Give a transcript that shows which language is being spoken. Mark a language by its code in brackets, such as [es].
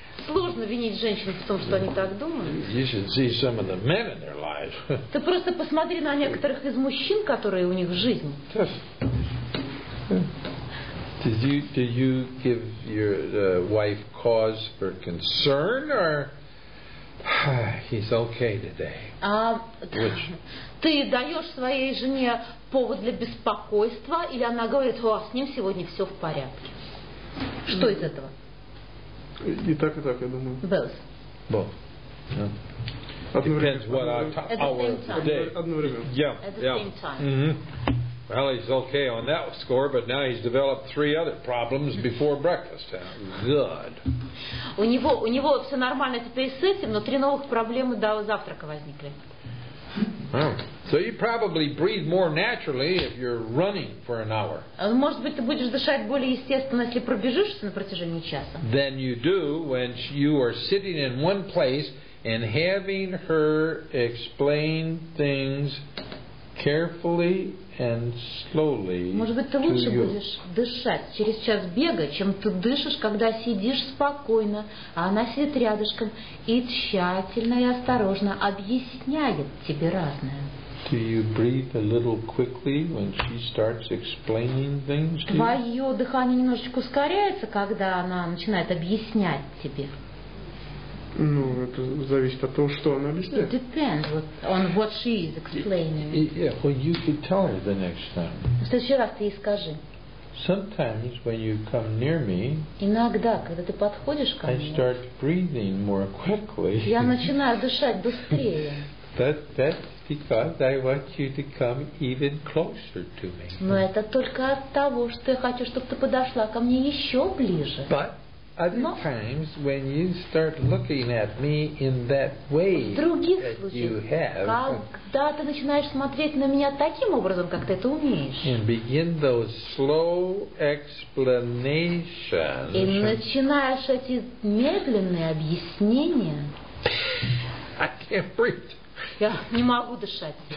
[ru] Сложно винить женщин в том, что они так думают. [en] You should see some of the men in their lives. [ru] Ты просто посмотри на некоторых из мужчин, которые у них в жизни. [en] Just Did you give your wife cause for concern, or he's okay today? Which? [ru] Ты даешь своей жене повод для беспокойства, или она говорит, о, с ним сегодня все в порядке? Что из этого? И так, я думаю. [en] Both. Both. Depends what our day. At the same time. Well, he's okay on that score, but now he's developed three other problems before breakfast. Good. [ru] У него все нормально теперь с этим, но три новых проблемы до завтрака возникли. [en] So you probably breathe more naturally if you're running for an hour. [ru] Может быть, ты будешь дышать более естественно, если пробежишься на протяжении часа. [en] Than you do when you are sitting in one place and having her explain things carefully and slowly. [ru] Может быть, ты лучше будешь дышать через час бега, чем ты дышишь, когда сидишь спокойно, а она сидит рядышком и тщательно и осторожно объясняет тебе разное. [en] Do you breathe a little quickly when she starts explaining things to you? [ru] Твое дыхание немножечко ускоряется, когда она начинает объяснять тебе. Ну, это зависит от того, что она объясняет. [en] It depends on what she is explaining. Yeah, well, you could tell her the next time. [ru] В следующий раз ты ей скажи. [en] Sometimes when you come near me, [ru] иногда, когда ты подходишь ко мне, [en] I start breathing more quickly. [ru] Я начинаю дышать быстрее. [en] That's because I want you to come even closer to me. [ru] Но это только от того, что я хочу, чтобы ты подошла ко мне еще ближе. [en] But other times when you start looking at me in that way that you have, [ru] когда ты начинаешь смотреть на меня таким образом, как ты это умеешь, [en] and begin those slow explanations, [ru] и начинаешь эти медленные объяснения, [en] I can't breathe. [ru] Я не могу дышать.